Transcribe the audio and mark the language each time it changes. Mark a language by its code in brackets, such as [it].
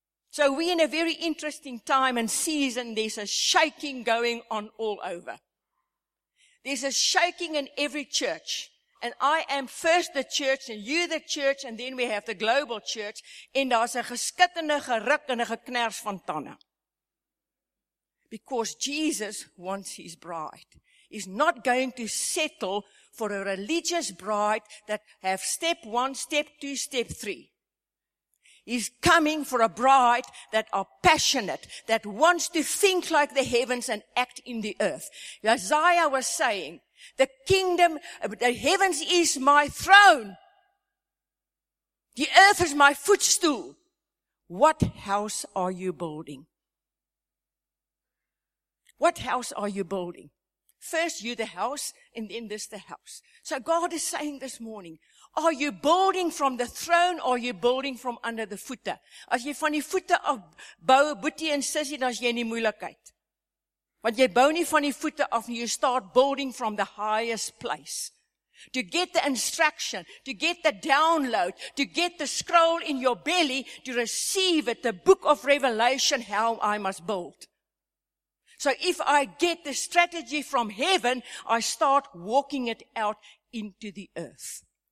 [en] So we're in a very interesting time and season. There's a shaking going on all over. There's a shaking in every church. And I am first the church and you the church and then we have the global church. [af] En daar's 'n geskit en 'n geruk en 'n geknars van tande. [en] Because Jesus wants his bride. He's not going to settle for a religious bride that have step one, step two, step three. He's coming for a bride that are passionate, that wants to think like the heavens and act in the earth. Isaiah was saying, the kingdom, the heavens is my throne. The earth is my footstool. What house are you building? What house are you building? First you the house, and then this the house. So God is saying this morning, are you building from the throne, or are you building from under the footer? [af] As jy van die footer af bou, boetie en sissie, dan is jy in die moeilikheid. Want jy bou nie van die voete af nie, [en] you start building from the highest place. To get the instruction, to get the download, to get the scroll in your belly, to receive it, the book of revelation, how I must build. So if I get the strategy from heaven, I start walking it out into the earth.